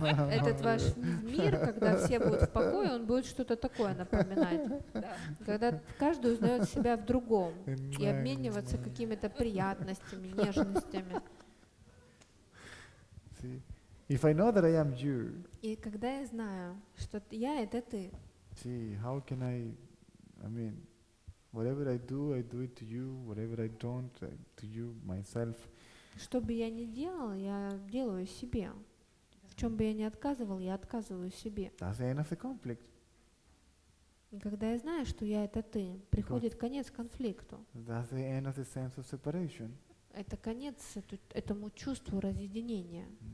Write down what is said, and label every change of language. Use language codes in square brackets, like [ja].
[ru] Этот ваш мир, когда все будут в покое, он будет что-то такое напоминать. Когда каждый узнает себя в другом и обмениваться какими-то приятностями, нежностями. [en] If I know that I am you. [ru] И когда я знаю, что я это ты. [en] See, how can I mean, whatever I do it to you, whatever I don't, to you myself. [ru] Что бы я ни делал, я делаю себе. В чем бы я ни отказывал, я отказываю себе. [en] That's the end of the conflict. [ru] Когда я знаю, что я это ты, приходит конец конфликту. [en] That's the end of the sense of separation. [ru] Это конец этому чувству разъединения.